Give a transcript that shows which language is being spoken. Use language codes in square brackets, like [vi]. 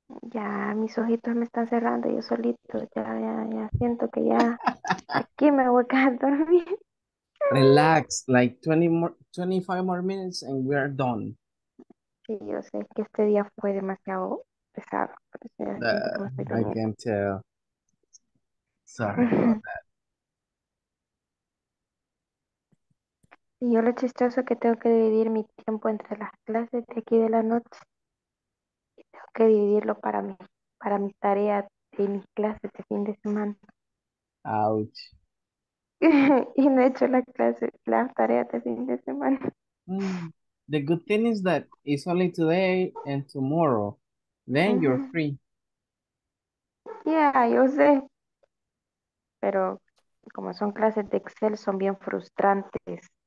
[es] Ya, mis ojitos me están cerrando yo solito. Ya siento que ya aquí me voy a dormir. [en] Relax, like 25 more minutes and we are done. [es] Sí, yo sé que este día fue demasiado pesado. Pero sí, [en] I can tell. Sorry about that. [es] Y yo lo chistoso que tengo que dividir mi tiempo entre las clases de aquí de la noche. Y tengo que dividirlo para mi tarea de mis clases de fin de semana. [en] Ouch. [es] Y no he hecho las clases, las tareas de fin de semana. [en] The good thing is that it's only today and tomorrow. Then mm-hmm. You're free. [es] Yeah, yo sé. Pero como son clases de Excel, son bien frustrantes.